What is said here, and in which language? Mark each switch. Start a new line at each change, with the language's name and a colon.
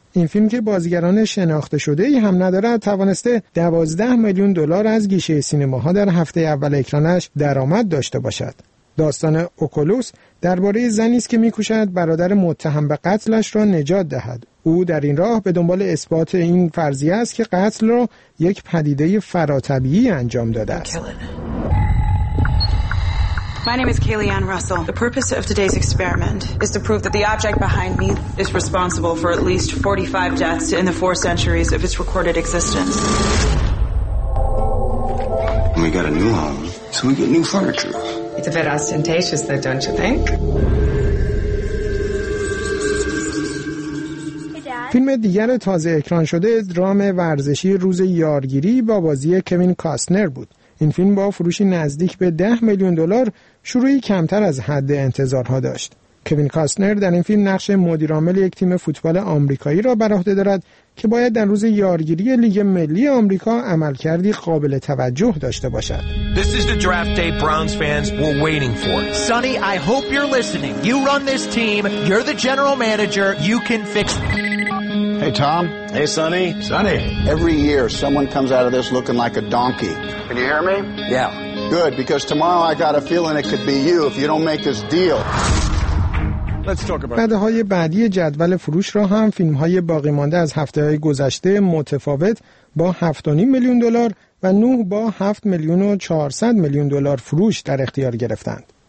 Persian: این فیلم که بازیگران شناخته شده ای هم ندارد توانسته 12 میلیون دلار از گیشه سینماها در هفته اول اکرانش درآمد داشته باشد. داستان اوکولوس درباره زنی است که میکوشد برادر متهم به قتلش را نجات دهد. او در این راه به دنبال اثبات این فرضیه است که قتل را یک پدیده فراطبیعی انجام داده است.
English: My name is Kayleigh-Ann Russell. The purpose of today's experiment is to prove that the object behind me is responsible for at least 45 deaths in the four centuries of its recorded existence. We got a new home, so we get new furniture. It's a bit ostentatious though, don't you think?
Persian: فیلم دیگر تازه اکران شده درام ورزشی روز یارگیری با بازی کوین کاستنر بود. این فیلم با فروشی نزدیک به 10 میلیون دلار شروعی کمتر از حد انتظارها داشت. کوین کاستنر در این فیلم نقش مدیر عامل یک تیم فوتبال آمریکایی را بر عهده دارد که باید در روز یارگیری لیگ ملی آمریکا عملکردی قابل توجه داشته باشد.
English: This is the draft day Browns fans were waiting for. Sonny, I hope you're listening. You run this team. You're the general manager. You can fix it. Hey Tom. Hey Sonny. Sonny. Every year someone comes out of this looking like a donkey. Can you hear me? Yeah. Good, because tomorrow I got a feeling it could be you if you don't make this deal. Let's talk about.
Persian: بعدهای بعدی جدول فروش را هم فیلم‌های باقی مانده از هفته‌های گذشته متفاوت با 7.5 میلیون دلار و 9 با 7 میلیون و 400 میلیون دلار فروش در اختیار گرفتند.